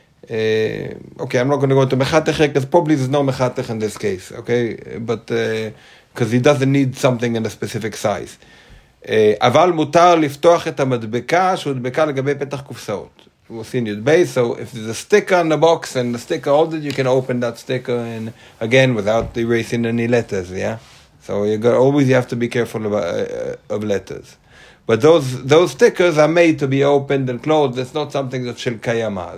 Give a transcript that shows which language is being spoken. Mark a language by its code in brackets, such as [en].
[en] Okay, I'm not going to go into mechatech, because probably there's no mechatech in this case, okay, but because he doesn't need something in a specific size. [he] אבל מותר לפתוח את המדבקה שהוא דבקה לגבי פתח קופסאות. [en] We'll see in your base. So if there's a sticker on the box and the sticker holds it, you can open that sticker and again without erasing any letters, yeah? So you have to be careful of letters. But those stickers are made to be opened and closed. It's not something that's [he] של קיימה.